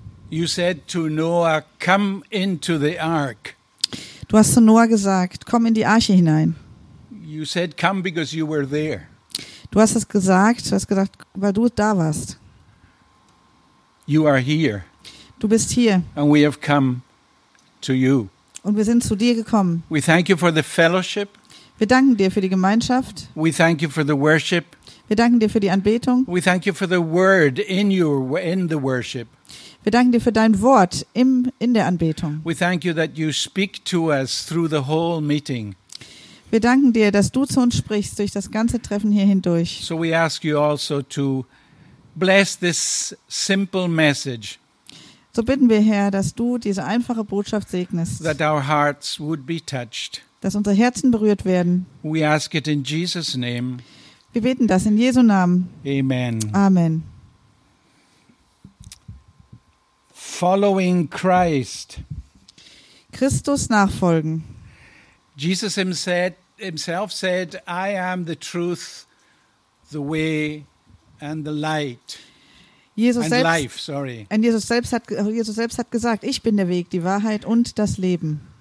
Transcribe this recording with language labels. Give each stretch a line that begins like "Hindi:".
English: You said to Noah, come into the ark.
German: Du hast zu Noah gesagt, komm in die Arche hinein.
English: You said come because you were there.
German: Du hast es gesagt, du hast gesagt, weil du da warst.
English: You are here.
German: Du bist hier.
English: And we have come to you.
German: Und wir sind zu dir gekommen.
English: We thank you for the fellowship.
German: Wir danken dir für die Gemeinschaft.
English: We thank you for the worship.
German: Wir danken dir für die Anbetung.
English: We thank you for the word in your in the worship.
German: Wir danken dir für dein Wort im in der Anbetung.
English: We thank you that you speak to us through the whole meeting.
German: Wir danken dir, dass du zu uns sprichst durch das ganze Treffen hier hindurch.
English: So we ask you also to bless this simple message.
German: So bitten wir, Herr, dass du diese einfache Botschaft segnest.
English: That our hearts would be touched.
German: Dass unsere Herzen berührt werden.
English: We ask it in Jesus' name.
German: Wir beten das in Jesu Namen.
English: Amen.
German: Amen.
English: Following Christ.
German: Christus nachfolgen.
English: Jesus himself said, I am the truth, the way and the light.
German: Jesus selbst hat gesagt, ich bin der Weg, die Wahrheit und das Leben.